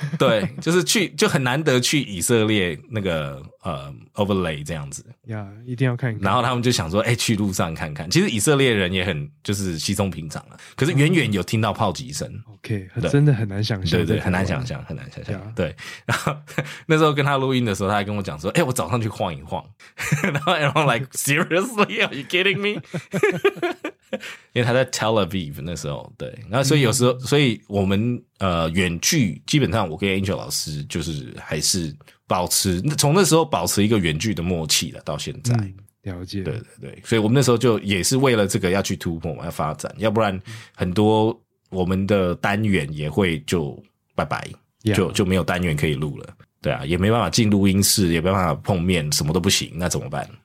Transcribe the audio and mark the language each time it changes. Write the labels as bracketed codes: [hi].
[zh] 对，就是去就很难得去以色列那个overlay 这样子呀， yeah, 一定要看一看。然后他们就想说，哎、欸，去路上看看。其实以色列人也很就是稀松平常了，可是远远有听到炮击声。 OK， 真的很难想象，对，很难想象，很难想象。Yeah. 对，然后那时候跟他录音的时候，他还跟我讲说，哎、欸，我早上去晃一晃。 [en] 然后 I'm like seriously, are you kidding me? [zh] 因为他在 Tel Aviv 那时候，对，那所以有时候，所以我们远距基本上我跟 Angel 老师就是还是保持从那时候保持一个远距的默契了，到现在了解，对对对，所以我们那时候就也是为了这个要去突破嘛，要发展，要不然很多我们的单元也会就拜拜，就没有单元可以录了，对啊，也没办法进录音室，也没办法碰面，什么都不行，那怎么办？